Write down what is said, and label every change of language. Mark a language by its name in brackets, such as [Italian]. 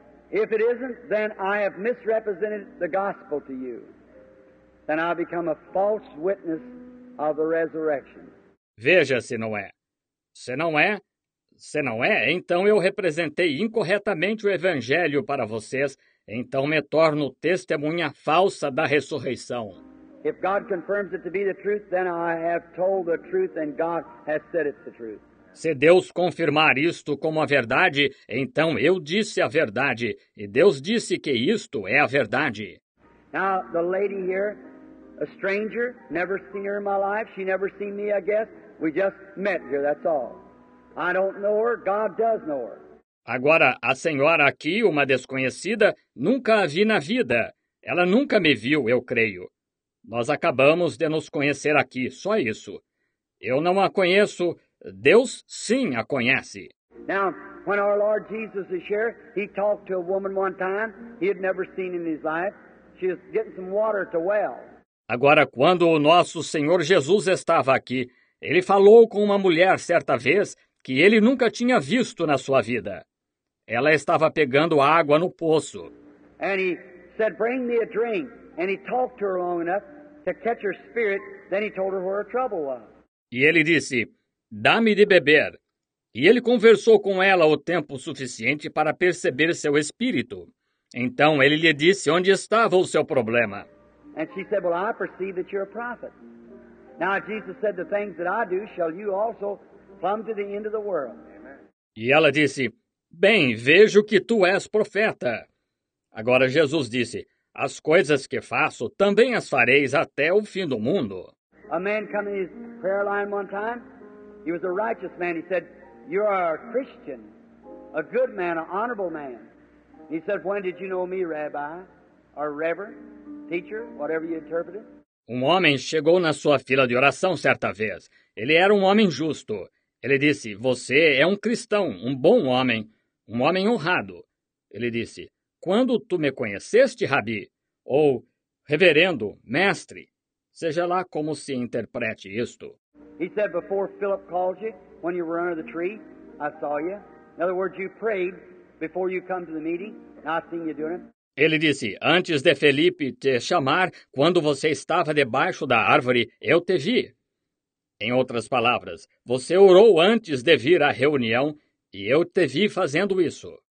[English] If it isn't, then I have misrepresented the gospel to you. Then I become a false witness of the resurrection. [Portuguese] Veja se não é. Se não é, então eu representei incorretamente o evangelho para vocês, então me torno testemunha falsa da ressurreição. [English] If God confirms it to be the truth, then I have told the truth and God has said it's the truth. [Portuguese] Se Deus confirmar isto como a verdade, então eu disse a verdade, e Deus disse que isto é a verdade. [English] Now, the lady here, a stranger, never seen her in my life, she never seen me, I guess. We just met here, that's all. I don't know her, God does know her. [Portuguese] Agora, a senhora aqui, uma desconhecida, nunca a vi na vida. Ela nunca me viu, eu creio. Nós acabamos de nos conhecer aqui, só isso. Eu não a conheço, Deus sim a conhece. [English] Now, when our Lord Jesus is here, he talked to a woman one time he had never seen in his life. She was getting some water at the well. [Portuguese] Agora, quando o nosso Senhor Jesus estava aqui, ele falou com uma mulher certa vez que ele nunca tinha visto na sua vida. Ela estava pegando água no poço. [English] And he said, bring me a drink. And he talked to her long enough to catch her spirit. Then he told her where her trouble was. [Portuguese] E ele disse, dá-me de beber. E ele conversou com ela o tempo suficiente para perceber seu espírito. Então ele lhe disse onde estava o seu problema. [English] And she said, well, I perceive that you're a prophet. Now Jesus said, the things that I do shall you also plumb to the end of the world. [Portuguese] E ela disse, bem, vejo que tu és profeta. Agora Jesus disse, as coisas que faço também as fareis até o fim do mundo. [English] A man came to his prayer line one time. He was a righteous man. He said, you are a Christian, a good man, an honorable man. He said, when did you know me, rabbi, or reverend, teacher, whatever you interpreted? [Portuguese] Um homem chegou na sua fila de oração certa vez. Ele era um homem justo. Ele disse, você é um cristão, um bom homem, um homem honrado. Ele disse, quando tu me conheceste, Rabi, ou reverendo, mestre, seja lá como se interprete isto. [English] He said, before Philip called you, when you were under the tree, I saw you. In other words, you prayed before you come to the meeting, and I seen you doing it. [Portuguese] Ele disse, antes de Felipe te chamar, quando você estava debaixo da árvore, eu te vi. Em outras palavras, você orou antes de vir à reunião e eu te vi fazendo isso.